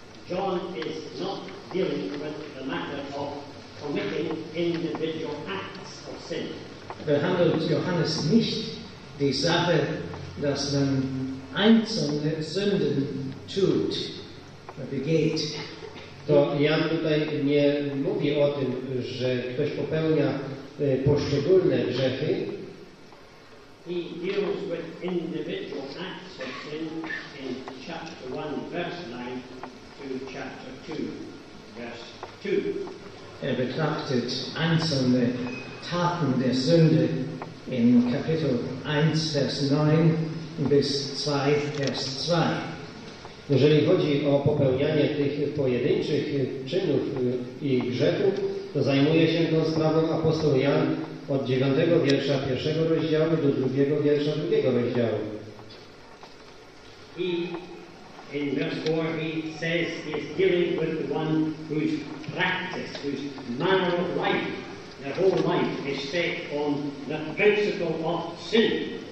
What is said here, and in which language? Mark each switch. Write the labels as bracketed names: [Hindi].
[English] John is not dealing with the matter of committing individual acts of sin. [German] Behandelt Johannes nicht die Sache, dass man einzelne Sünden tut, begeht. [Polish] To Jan tutaj nie mówi o tym, że ktoś popełnia poszczególne grzechy. [English] He deals with individual acts of sin in chapter 1, verse 9 to chapter 2, verse 2. [German] Er betrachtet einzelne Taten der Sünde in Kapitel 1, vers 9, bis 2, vers 2. [Polish] Jeżeli chodzi o popełnianie tych pojedynczych czynów i grzechów, to zajmuje się tą sprawą apostoł Jan od 9 wiersza 1 rozdziału do 2 wiersza 2 rozdziału. [English] He, in verse 4, he says he is dealing with the one whose practice, whose manner of life, their whole life is set on the principle of sin.